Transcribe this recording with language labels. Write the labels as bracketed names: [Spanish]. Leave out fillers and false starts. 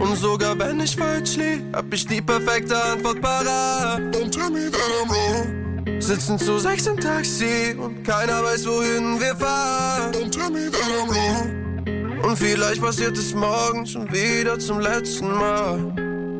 [German] Und sogar wenn ich falsch lieg, hab ich die perfekte Antwort parat. [English] Don't tell me that I'm wrong. [German] sitzen zu sechs im Taxi und keiner weiß, wohin wir fahren. [English] Don't tell me that I'm wrong. [German] Und vielleicht passiert es morgen schon wieder zum letzten Mal.